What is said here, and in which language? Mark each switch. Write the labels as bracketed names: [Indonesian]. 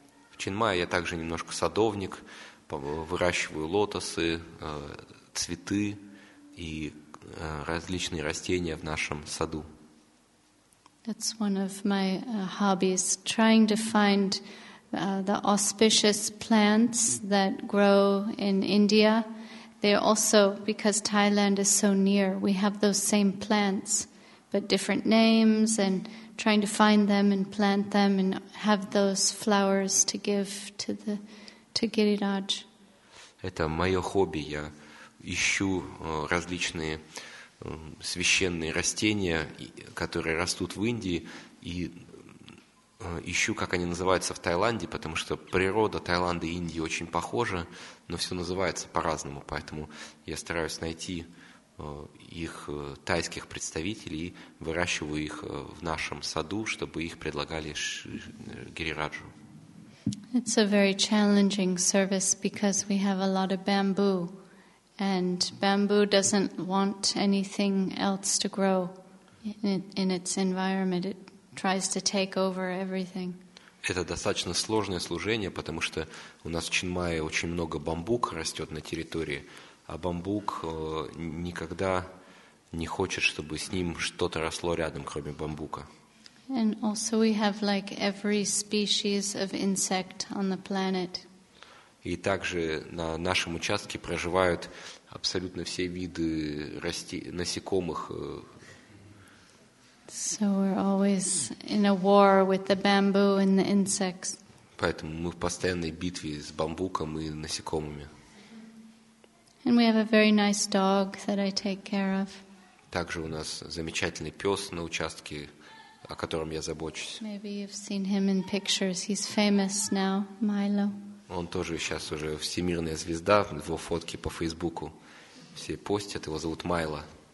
[Russian] В Чинмае я также немножко садовник, выращиваю лотосы, цветы и различные растения в нашем саду. [English] That's one of my hobbies, trying to find the auspicious plants that grow in India. They're also, because Thailand is so near, we have those same plants, but different names, and trying to find them and plant them and have those flowers to give to the to Giriraj. [Russian] Это мое хобби. Я ищу различные священные растения, которые растут в Индии, и ищу, как они называются в Таиланде, потому что природа Таиланда и Индии очень похожа, но все называется по-разному, поэтому я стараюсь найти их тайских представителей и выращиваю их в нашем саду, чтобы их предлагали Гирираджу. [English] It's a very challenging service because we have a lot of bamboo. And bamboo doesn't want anything else to grow in its environment. It tries to take over everything. [Russian] Это достаточно сложное служение, потому что у нас в Чинмае очень много бамбука растет на территории, а бамбук никогда не хочет, чтобы с ним что-то росло рядом, кроме бамбука. [English] And also we have like every species of insect on the planet. [Russian] И также на нашем участке проживают абсолютно все виды насекомых. [English] So we're always in a war with the bamboo and the insects. [Russian] Поэтому мы в постоянной битве с бамбуком и насекомыми. [English] And we have a very nice dog that I take care of. [Russian] Также у нас замечательный пес на участке, о котором я забочусь. [English] Maybe you've seen him in pictures. He's famous now, Milo. [Russian] Он тоже сейчас уже всемирная звезда, его фотки по Фейсбуку все постят, его зовут Майло.